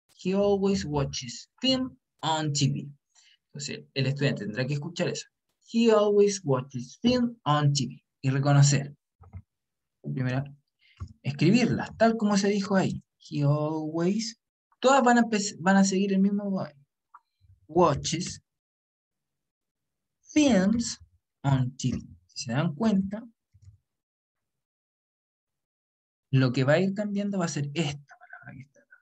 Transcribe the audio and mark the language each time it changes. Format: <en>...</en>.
<en>He always watches film on TV.</en> <es>Entonces, el estudiante tendrá que escuchar eso.</es> <en>He always watches film on TV.</en> <es>Y reconocer. Primero, escribirlas, tal como se dijo ahí.</es> <en>He always.</en> <es>Todas van a seguir el mismo modo.</es> <en>Watches films on TV.</en> <es>Si se dan cuenta, lo que va a ir cambiando va a ser esta palabra que está.</es>